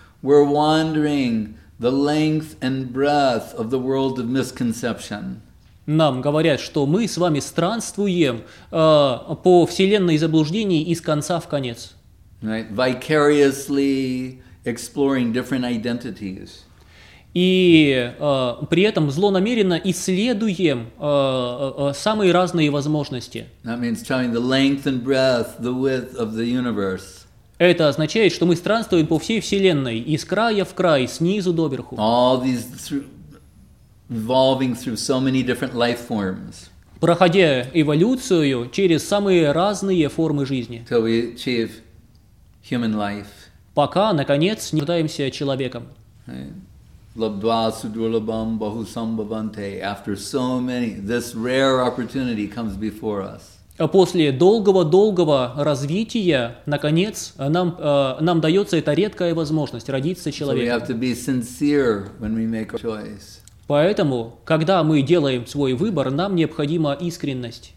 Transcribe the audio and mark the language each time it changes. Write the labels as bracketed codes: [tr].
[en] We're wandering the length and breadth of the world of misconception. [ru] Нам говорят, что мы с вами странствуем по вселенной заблуждений из конца в конец. [en] Right? Vicariously exploring different identities. [ru] И при этом злонамеренно исследуем самые разные возможности. [en] That means telling the length and breadth, the width of the universe. [ru] Это означает, что мы странствуем по всей вселенной, из края в край, снизу доверху. [en] All these evolving through so many different life forms. [ru] Проходя эволюцию через самые разные формы жизни. [en] Till we achieve human life. [ru] Пока, наконец, не пытаемся человеком. [sa] Лабдва судурлабам баху самбаванте. [en] After so many, this rare opportunity comes before us. [ru] После долгого-долгого развития, наконец, нам дается эта редкая возможность родиться человеком. [en] So we have to be sincere when we make a choice. [ru] Поэтому, когда мы делаем свой выбор, нам необходима искренность.